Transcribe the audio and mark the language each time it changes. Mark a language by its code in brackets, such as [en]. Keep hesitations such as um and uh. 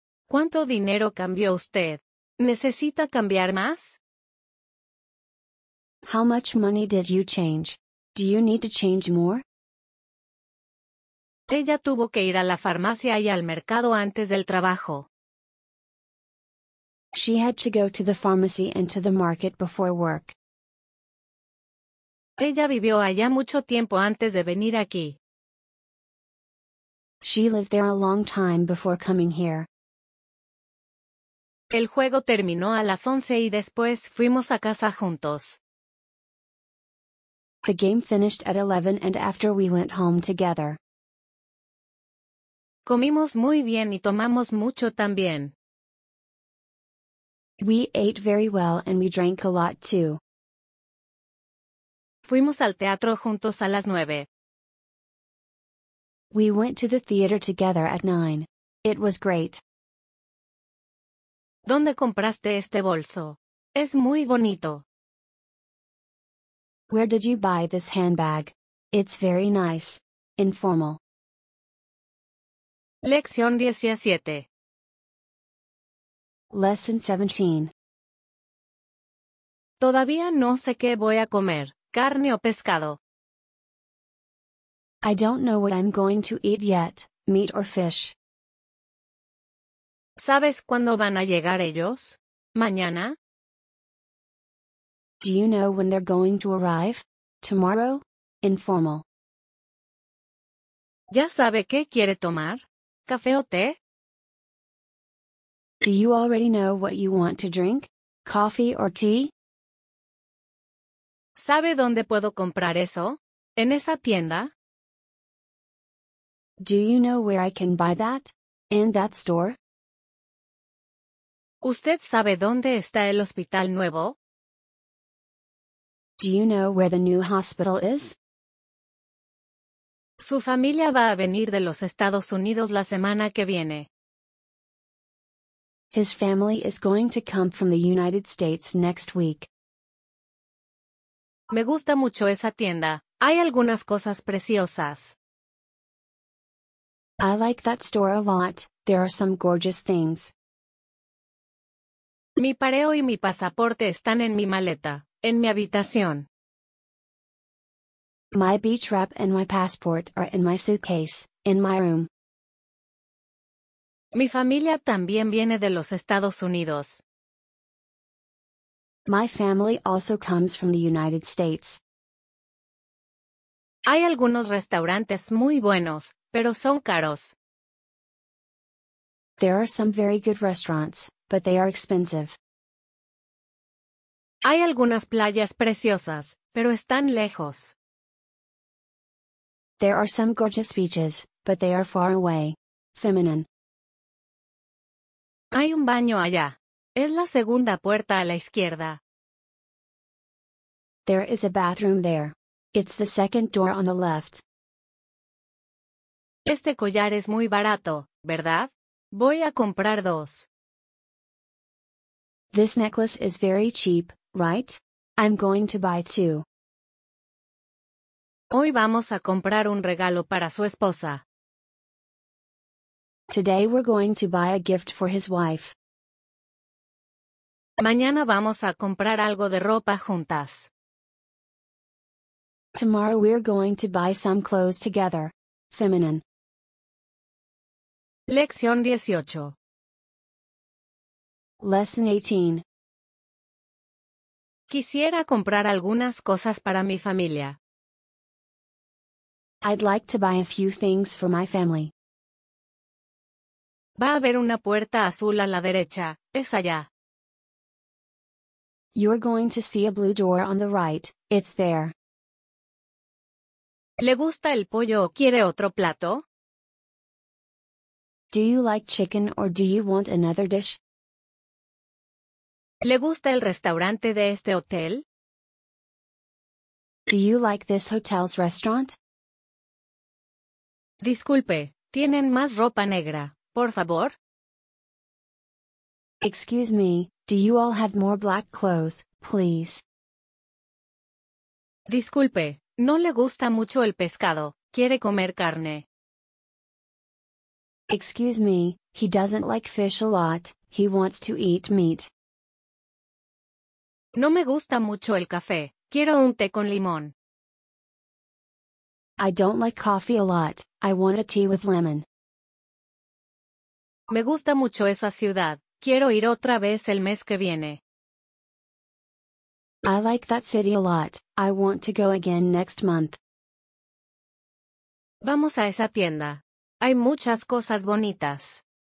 [es] ¿Cuánto dinero cambió usted? ¿Necesita cambiar más? [en] How much money did you change? Do you need to change more? [es] Ella tuvo que ir a la farmacia y al mercado antes del trabajo. [en] She had to go to the pharmacy and to the market before work. [es] Ella vivió allá mucho tiempo antes de venir aquí. [en] She lived there a long time before coming here. [es] El juego terminó a las once y después fuimos a casa juntos. [en] The game finished at 11 and after we went home together. [es] Comimos muy bien y tomamos mucho también. [en] We ate very well and we drank a lot too. [es] Fuimos al teatro juntos a las nueve. [en] We went to the theater together at nine. It was great. [es] ¿Dónde compraste este bolso? Es muy bonito. [en] Where did you buy this handbag? It's very nice. Informal. [es] Lección 17. [en] Lesson 17. [es] Todavía no sé qué voy a comer, carne o pescado. [en] I don't know what I'm going to eat yet, meat or fish. [es] ¿Sabes cuándo van a llegar ellos? ¿Mañana? [en] Do you know when they're going to arrive? Tomorrow? Informal. [es] ¿Ya sabe qué quiere tomar? ¿Café o té? [en] Do you already know what you want to drink? ¿Coffee or tea? [es] ¿Sabe dónde puedo comprar eso? ¿En esa tienda? [en] Do you know where I can buy that? ¿In that store? [es] ¿Usted sabe dónde está el hospital nuevo? [en] Do you know where the new hospital is? [es] Su familia va a venir de los Estados Unidos la semana que viene. [en] His family is going to come from the United States next week. [es] Me gusta mucho esa tienda. Hay algunas cosas preciosas. [en] I like that store a lot. There are some gorgeous things. [es] Mi pareo y mi pasaporte están en mi maleta. En mi habitación. [en] My beach wrap and my passport are in my suitcase, in my room. [es] Mi familia también viene de los Estados Unidos. [en] My family also comes from the United States. [es] Hay algunos restaurantes muy buenos, pero son caros. [en] There are some very good restaurants, but they are expensive. [es] Hay algunas playas preciosas, pero están lejos. [en] There are some gorgeous beaches, but they are far away. Feminine. [es] Hay un baño allá. Es la segunda puerta a la izquierda. [en] There is a bathroom there. It's the second door on the left. [es] Este collar es muy barato, ¿verdad? Voy a comprar dos. [en] This necklace is very cheap, right? I'm going to buy two. [es] Hoy vamos a comprar un regalo para su esposa. [en] Today we're going to buy a gift for his wife. [es] Mañana vamos a comprar algo de ropa juntas. [en] Tomorrow we're going to buy some clothes together. Feminine. [es] Lección 18. [en] Lesson 18. [es] Quisiera comprar algunas cosas para mi familia. [en] I'd like to buy a few things for my family. [es] Va a haber una puerta azul a la derecha, es allá. [en] You're going to see a blue door on the right, it's there. [es] ¿Le gusta el pollo o quiere otro plato? [en] Do you like chicken or do you want another dish? [es] ¿Le gusta el restaurante de este hotel? [en] Do you like this hotel's restaurant? [es] Disculpe, tienen más ropa negra, por favor. [en] Excuse me, do you all have more black clothes, please? [es] Disculpe, no le gusta mucho el pescado, quiere comer carne. [en] Excuse me, he doesn't like fish a lot, he wants to eat meat. [es] No me gusta mucho el café. Quiero un té con limón. [en] I don't like coffee a lot. I want a tea with lemon. [es] Me gusta mucho esa ciudad. Quiero ir otra vez el mes que viene. [en] I like that city a lot. I want to go again next month. [es] Vamos a esa tienda. Hay muchas cosas bonitas.